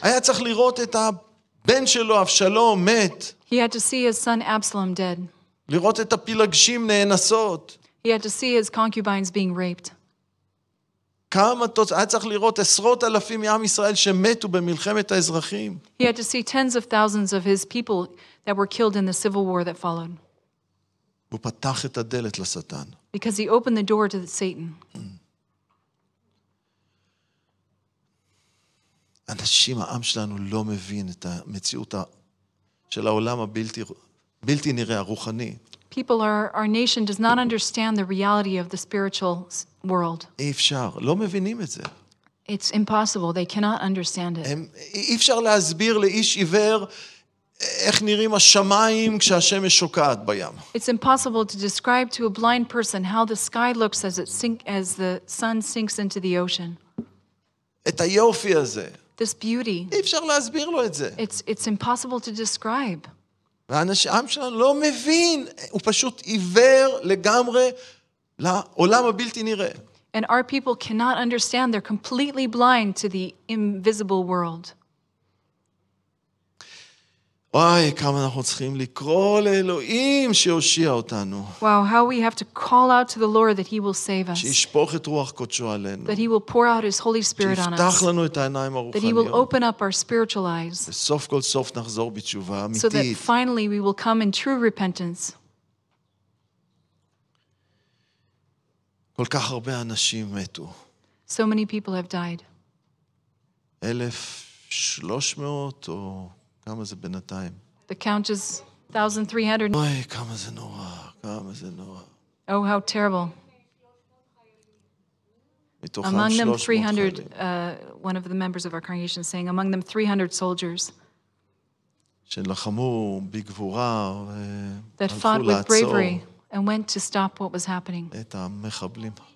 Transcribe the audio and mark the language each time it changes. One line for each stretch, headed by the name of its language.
Hebrew: היה צריך לראות את הבן שלו, אבשלום, מת.
English: He had to see his son Absalom dead.
Hebrew: לראות את הפילגשים נאנסות.
English: He had to see his concubines being raped.
Hebrew: כמה תוצאה, היה צריך לראות עשרות אלפים מעם ישראל שמתו במלחמת האזרחים.
English: He had to see tens of thousands of his people that were killed in the civil war that followed.
Hebrew: הוא פתח את הדלת לשטן.
English: Because he opened the door to the Satan.
Hebrew: אנשים, העם שלנו לא מבין את המציאות של העולם הבלתי נראה הרוחני.
English: People our nation does not understand the reality of the spiritual world.
Hebrew: אי אפשר, לא מבינים את זה.
English: It's impossible, they cannot understand it.
Hebrew: אי אפשר להסביר לאיש עיוור איך נראים השמיים כשהשמש שוקעת בים.
English: It's impossible to describe to a blind person how the sky looks as the sun sinks into the ocean.
Hebrew: את היופי הזה.
English: This beauty.
Hebrew: אי אפשר להסביר לו את זה.
English: It's impossible to describe.
Hebrew: והעם שלנו לא מבין, הוא פשוט עיוור לגמרי לעולם הבלתי נראה.
English: And our people cannot understand, they're completely blind to the invisible world.
Hebrew: וואי, כמה אנחנו צריכים לקרוא לאלוהים שיושיע אותנו.
English: Wow, how we have to call out to the Lord that he will save us.
Hebrew: שישפוך את רוח קודשו עלינו.
English: That he will pour out his Holy Spirit on us.
Hebrew: שיפתח לנו את העיניים הרוחניות.
English: That he will open up our spiritual eyes.
Hebrew: וסוף כל סוף נחזור בתשובה אמיתית.
English: So that finally we will come in true repentance.
Hebrew: כל כך הרבה אנשים מתו.
English: So many people have died.
Hebrew: 1,300 או... כמה זה בינתיים?
English: The count is 1,300.
Hebrew: אוי, כמה זה נורא, כמה זה נורא.
English: Oh, how terrible. Among them 300, one of the members of our congregation saying, among them 300 soldiers.
Hebrew: שלחמו בגבורה.
English: That fought with bravery and went to stop what was happening.
Hebrew: את המחבלים.